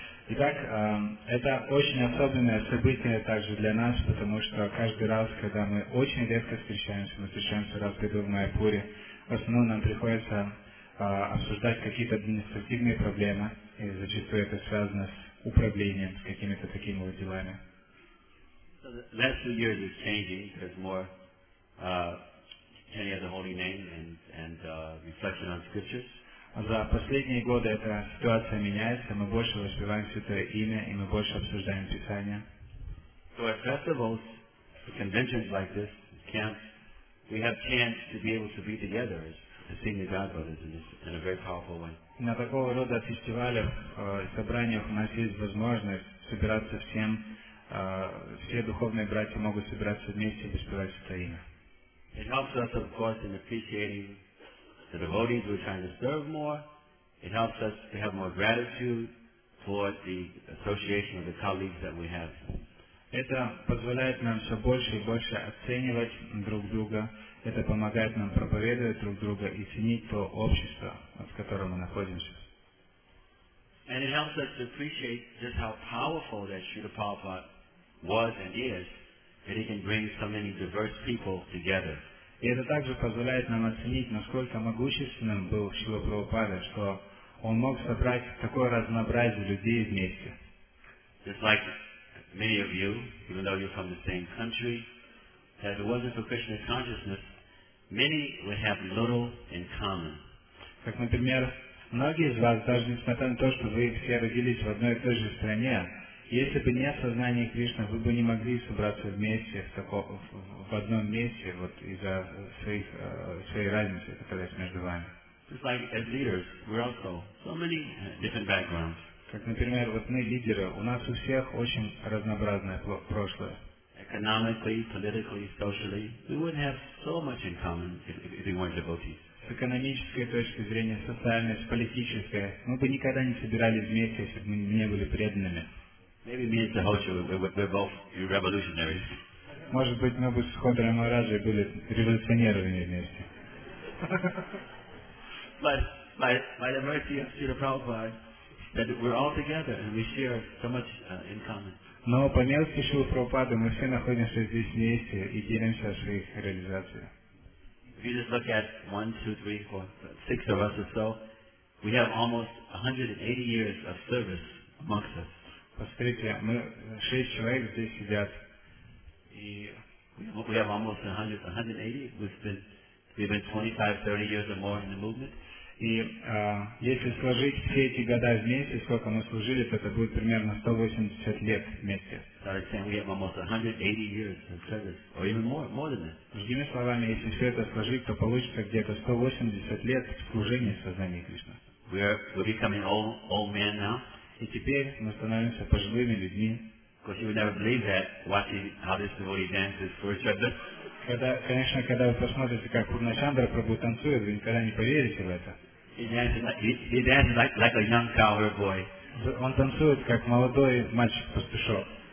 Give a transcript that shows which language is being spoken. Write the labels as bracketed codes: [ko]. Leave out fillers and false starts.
[ru] Итак, это очень особенное событие также для нас, потому что каждый раз, когда мы очень редко встречаемся, мы встречаемся раз в году в Майяпуре, в основном нам приходится обсуждать какие-то административные проблемы, и зачастую это связано с управлением, с какими-то такими вот делами. [en] So the last 2 years is changing, there's more... Chaitanya has a holy name and reflection on scriptures. [ru] За последние годы эта ситуация меняется. Мы больше воспеваем Святое Имя и мы больше обсуждаем Писание. [en] So at festivals, conventions like this, camps, we have chance to be able to be together as the senior God brothers in a very powerful way. [ru] На такого рода фестивалях, собраниях у нас есть возможность собираться всем все духовные братья могут собираться вместе и воспевать это имя. [en] It helps us, of course, in appreciating the devotees who are trying to serve more. It helps us to have more gratitude for the association of the colleagues that we have. [ru] Это позволяет нам все больше и больше оценивать друг друга. Это помогает нам проповедовать друг друга и ценить то общество, в котором мы находимся. [en] And it helps us to appreciate just how powerful that Srila Prabhupada was and is, that he can bring so many diverse people together. [ru] И это также позволяет нам оценить, насколько могущественным был Шрила Прабхупада, что он мог собрать такое разнообразие людей вместе. [en] Just like many of you, even though you're from the same country, that if it wasn't for Krishna consciousness, many would have little in common. [ru] Как, например, многие из вас, даже несмотря на то, что вы все родились в одной и той же стране, если бы не сознание Кришны, вы бы не могли собраться вместе в одном месте вот, из-за своей разницы, которая есть между вами. [en] Just like as leaders, we're also so many different backgrounds. [ru] Как, например, вот мы лидеры, у нас у всех очень разнообразное прошлое. [en] Economically, politically, socially, we wouldn't have so much in common if we weren't devotees. [ru] С экономической точки зрения, социальной, с политической, мы бы никогда не собирались вместе, если бы мы не были преданными. [en] Maybe me and Sahoshi, we're both revolutionaries. [ru] Может быть, мы бы с Ходором Махараджи были революционерами вместе. [en] But by the mercy of Srila Prabhupada, that we're all together and we share so much in common. [ru] Но по милости Шрилы Прабхупады мы все находимся здесь вместе и делимся своих реализаций. [en] If you just look at 1, 2, 3, 4, 6 of us or so, we have almost 180 years of service amongst us. [ru] Посмотрите, мы шесть человек здесь сидят. [en] We have almost 180. We've been 25, 30 years or more in the movement. [ru] И если сложить все эти года вместе, сколько мы служили, то это будет примерно 180 лет вместе. [en] Sorry, Sam, we have almost 180 years of service, or even more than that. [ru] Другими словами, если все это сложить, то получится где-то 180 лет служения сознания Кришны. [en] We're becoming old men now. [ru] И теперь мы становимся пожилыми людьми. [en] Because you would never believe that, watching how this devotee dances for each other. [ru] Когда, конечно, когда вы посмотрите, как Пурнашандра Прабху танцует, вы никогда не поверите в это. [en] He dances like a young cowherd boy. [ru] Он танцует, как молодой мальчик-пастушок.